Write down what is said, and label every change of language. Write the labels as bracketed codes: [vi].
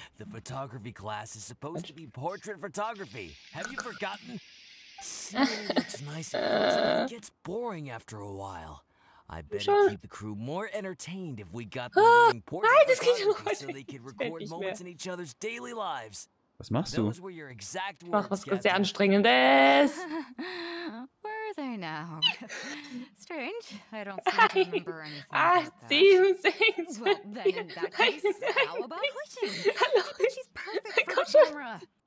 [en] The photography class is supposed to be portrait photography. Have you forgotten? It's nice, but it gets boring after a while. I bet it'd keep the crew more entertained if we got them doing portrait photography so they could record moments in each other's daily lives. [de] Was machst du? Ich mach was sehr Anstrengendes. [en] Where are they now? Strange. I don't seem to remember anything. [de] Ah, sie sind sings. [en] Well, then in that case, how about Hushin? [de] Hallo. [en] She's perfect for the camera.